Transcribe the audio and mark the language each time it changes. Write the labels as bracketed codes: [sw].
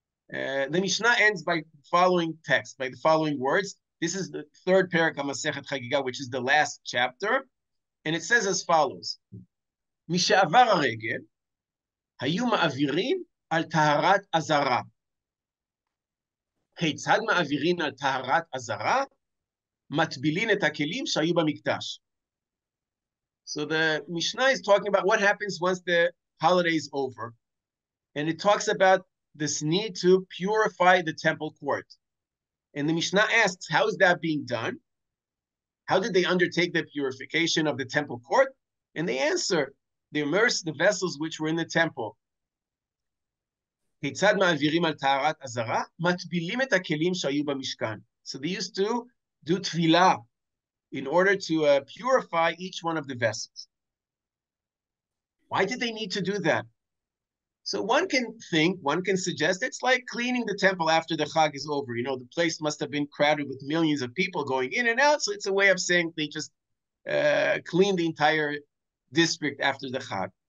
[en] The Mishnah ends by the following words. This is the third parak of Masechet Chagiga, which is the last chapter. And it says as follows. [he] Misha'avar ha-regel, hayu ma'avirin, על טהרת עזרה. כיצד מעבירים על טהרת עזרה? מטבילים את הכלים שהיו במקדש. [en] So the Mishnah is talking about what happens once the holiday is over. And it talks about this need to purify the temple court. And the Mishnah asks, how is that being done? How did they undertake the purification of the temple court? And they answer, they immerse the vessels which were in the temple. [he] כיצד מעבירים על טהרת עזרה? מטבילים את הכלים שהיו במשכן. [en] So they used to do תפילה in order to purify each one of the vessels. Why did they need to do that? So one can think, one can suggest, it's like cleaning the temple after the Chag is over. You know, the place must have been crowded with millions of people going in and out, so it's a way of saying they just cleaned the entire district after the Chag.